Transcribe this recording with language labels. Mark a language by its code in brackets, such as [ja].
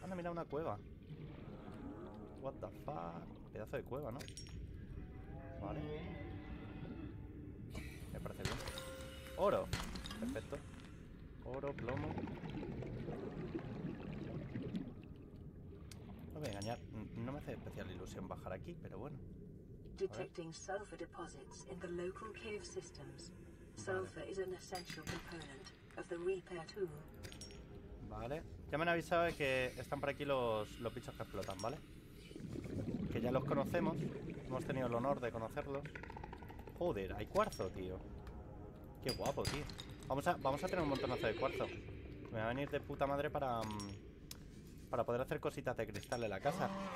[es] anda, mira, una cueva. [en] What the fuck. [es] Pedazo de cueva, ¿no? Vale. Me parece bien. Oro. Perfecto. Oro, plomo. No voy a engañar. No me hace especial ilusión bajar aquí, pero bueno. [en] Detecting sulfur deposits in the local cave systems. Sulfur is an essential component of the repair tool. [es] Vale. Ya me han avisado de que están por aquí los bichos que explotan, ¿vale? Que ya los conocemos. Hemos tenido el honor de conocerlos. Joder, hay cuarzo, tío. Qué guapo, tío. Vamos a tener un montonazo de cuarzo. Me va a venir de puta madre para poder hacer cositas de cristal en la casa.